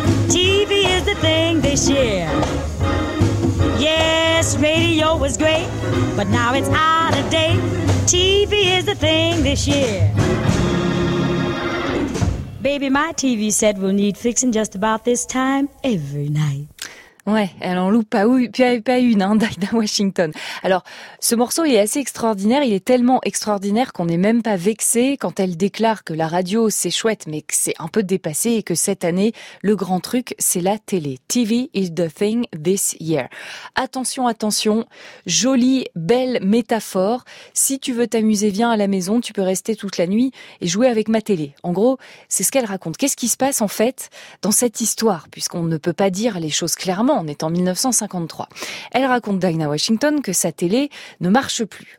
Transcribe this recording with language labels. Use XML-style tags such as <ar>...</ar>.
<en>TV is the thing this year. Yes, radio was great, but now it's out of date. TV is the thing this year. Baby, my TV set will need fixing just about this time every night.</en> <fr>Ouais, elle en loupe pas une, hein, Dinah Washington. Alors, ce morceau, il est assez extraordinaire. Il est tellement extraordinaire qu'on n'est même pas vexé quand elle déclare que la radio, c'est chouette, mais que c'est un peu dépassé et que cette année, le grand truc, c'est la télé.</fr> <en>TV is the thing this year.</en> <fr>Attention, attention, jolie, belle métaphore. Si tu veux t'amuser, viens à la maison, tu peux rester toute la nuit et jouer avec ma télé. En gros, c'est ce qu'elle raconte. Qu'est-ce qui se passe, en fait, dans cette histoire, puisqu'on ne peut pas dire les choses clairement. On est en 1953. Elle raconte Dinah Washington que sa télé ne marche plus.</fr>